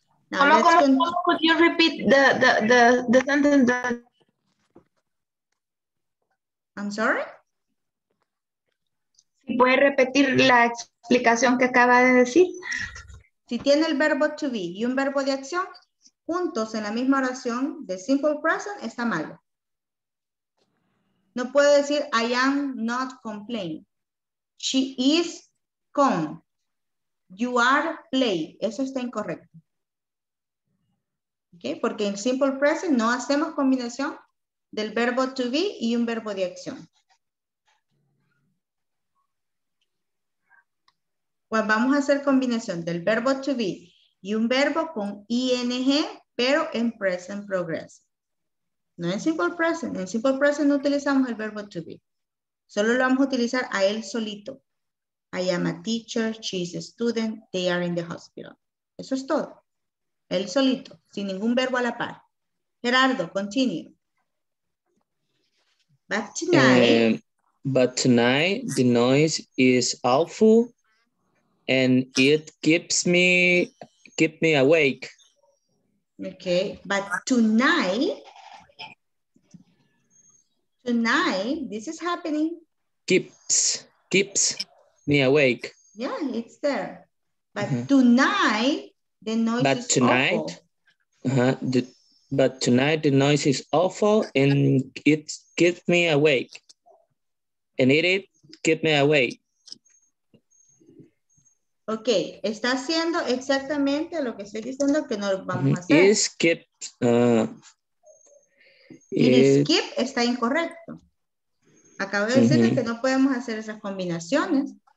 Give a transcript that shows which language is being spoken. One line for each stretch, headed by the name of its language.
English: Now, how could you repeat the sentence that... I'm sorry?
Spanish: Si puede repetir la explicación que acaba de decir. Si tiene el verbo to be y un verbo de acción juntos en la misma oración de simple present, está malo. No puedo decir
English: I am not complain. She is calm. You are play.
Spanish: Eso está incorrecto. Okay, porque en simple present no hacemos combinación del verbo to be y un verbo de acción. Bueno, vamos a hacer combinación del verbo to be y un verbo con ing, pero en present progressive. No en simple present. En simple present no utilizamos el verbo to be. Solo lo vamos a utilizar a él solito.
English: I am a teacher, she is a student, they are in the hospital.
Spanish: Eso es todo. Él solito, sin ningún verbo a la par.
English: Gerardo, continue. But tonight, the noise is awful and it keeps me awake. Okay, but tonight, this is happening. Keeps me awake. Yeah, it's there. But tonight, the noise but is tonight, awful. But tonight, the noise is awful and it keeps me awake. And it keeps me awake.
Spanish: Okay, está haciendo exactamente lo que estoy diciendo que no lo vamos a hacer.
English: It is skip
Spanish: está incorrecto. Acabo de decirles que no podemos hacer esas combinaciones.